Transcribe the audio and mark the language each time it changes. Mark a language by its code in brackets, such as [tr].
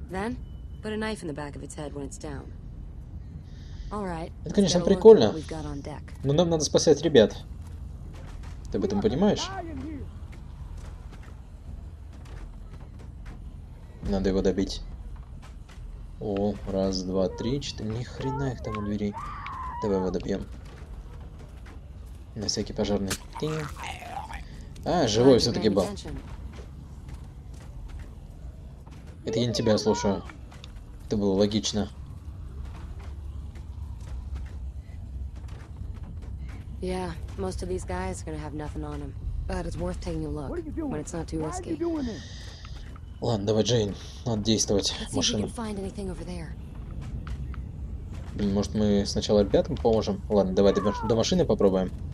[en] Then put a knife in the back of its head when it's down. [ru] Это, конечно, прикольно, но нам надо спасать ребят. Ты об этом понимаешь? Надо его добить. О, раз, два, три, четыре. Ни хрена их там у двери. Давай его добьем. На всякий пожарный. Тинь. А, живой все-таки был. Это я не тебя слушаю. Это было логично. [en] Yeah, most of these guys are gonna have nothing on them. But it's worth taking a look when it's not too risky. [ru] Ладно, давай, Джейн, надо действовать. Машина. Может, мы сначала ребятам поможем? Ладно, давай до машины попробуем.